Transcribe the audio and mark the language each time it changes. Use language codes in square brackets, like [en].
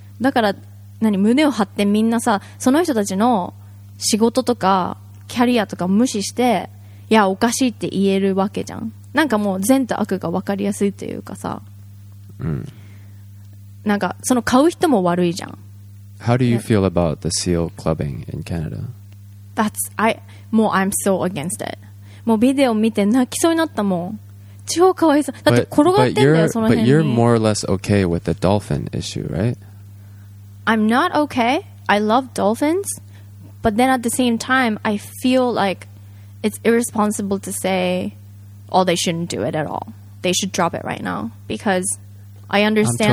[ja] だから何、胸を張ってみんなさ、その人たちの仕事とかキャリアとか無視して、いやおかしいって言えるわけじゃん。なんかもう善と悪が分かりやすいというかさ、なんかその買う人も悪いじゃん。 [en] How do you feel about the seal clubbing in Canada? I'm so against it. [ja] もうビデオ見て泣きそうになったもん。超かわいそう。だって転がってんだよ、その辺に。 [en] But you're more or less okay with the dolphin issue, right? I'm not okay. I love dolphins. But then at the same time, I feel like it's irresponsible to say, oh, they shouldn't do it at all. They should drop it right now. Because I understand